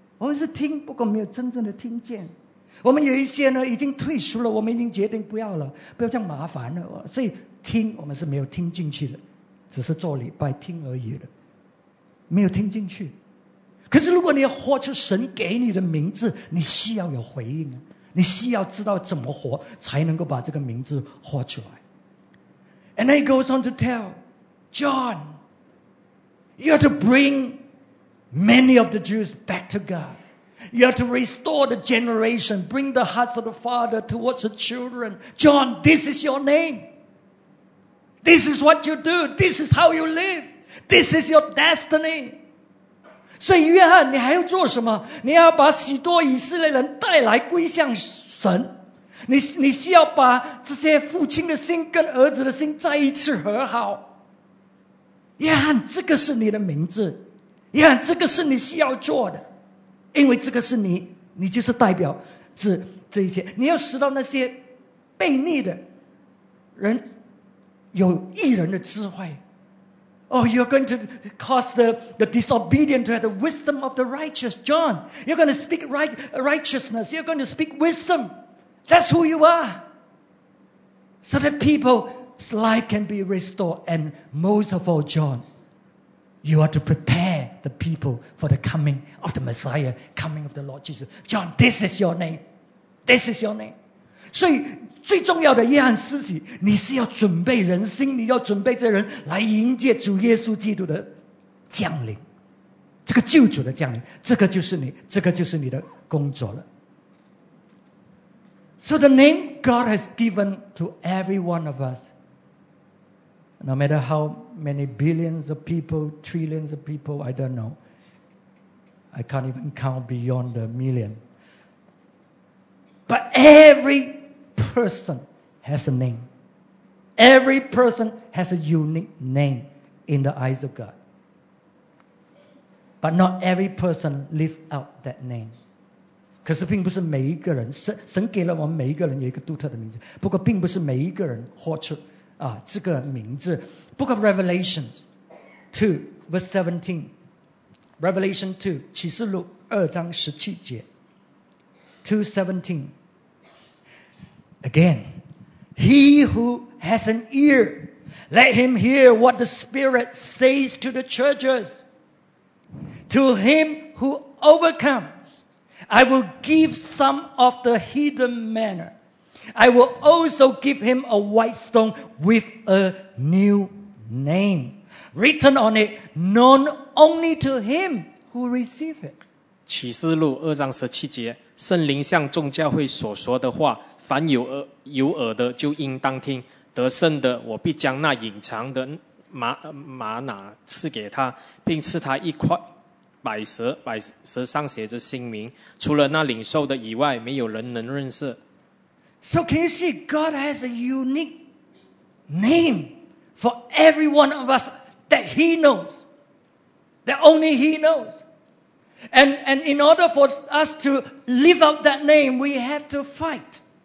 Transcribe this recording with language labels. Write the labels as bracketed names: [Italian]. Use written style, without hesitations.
[Chinese] 我们是听，不过没有真正的听见。我们有一些呢已经退出了，我们已经决定不要了，不要这样麻烦了，所以听我们是没有听进去的，只是做礼拜听而已的，没有听进去。可是如果你要活出神给你的名字，你需要有回应啊，你需要知道怎么活才能够把这个名字活出来。 [English] And then he goes on to tell John, you have to bring many of the Jews back to God. You have to restore the generation, bring the hearts of the father towards the children. John, this is your name. This is what you do. This is how you live. This is your destiny. [Chinese] 所以约翰，你还要做什么？你要把许多以色列人带来归向神。你需要把这些父亲的心跟儿子的心再一次和好。约翰，这个是你的名字。约翰，这个是你需要做的，因为这个是你就是代表这一切。你要使到那些悖逆的人有义人的智慧。 [English] Oh, you're going to cause the disobedient to have the wisdom of the righteous. John, you're going to speak righteousness. You're going to speak wisdom. That's who you are. So that people's life can be restored. And most of all, John, you are to prepare the people for the coming of the Messiah, coming of the Lord Jesus. John, this is your name. This is your name. [Chinese] 所以最重要的约翰施洗，你是要准备人心，你要准备这人来迎接主耶稣基督的降临，这个救主的降临，这个就是你，这个就是你的工作了。 [English] So the name God has given to every one of us, no matter how many billions of people, trillions of people, I don't know, I can't even count beyond a million, but everyperson has a name. Every person has a unique name in the eyes of God. But not every person live out that name. [Chinese] 可是并不是每一个人，神给了我们每一个人有一个独特的名字，不过并不是每一个人活出这个名字。 [English] Book of Revelation 2 verse 17 Revelation 2 [Chinese] 启示录二章十七节 [English] 2:17Again, he who has an ear, let him hear what the Spirit says to the churches. To him who overcomes, I will give some of the hidden manna. I will also give him a white stone with a new name, written on it, known only to him who receives it. [Chinese] 启示录二章十七节，圣灵向众教会所说的话，凡有耳的就应当听，得胜的我必将那隐藏的玛瑙赐给他，并赐他一块百蛇上写着新名，除了那领受的以外，没有人能认识。 [English] So can you see God has a unique name for every one of us that he knows, that only he knows. And in order for us to live out that name, we have to fight.